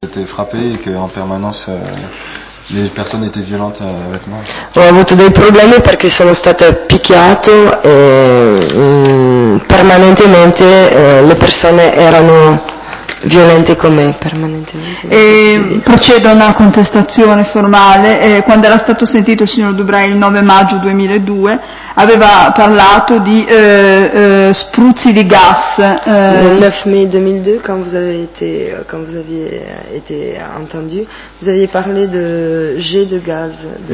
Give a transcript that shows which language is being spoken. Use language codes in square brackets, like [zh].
[fr] J'étais frappé et qu'en permanence les personnes étaient violentes avec moi. [it] Ho avuto dei problemi perché sono stato picchiato e permanentemente le persone erano violenti con me permanentemente. Procedo a una contestazione formale. Quando era stato sentito il signor Dubray il 9 maggio 2002, aveva parlato di spruzzi di gas. [fr] Il 9 mai 2002, quand vous avez été, quand vous aviez été entendu, vous aviez parlé de jets de gaz.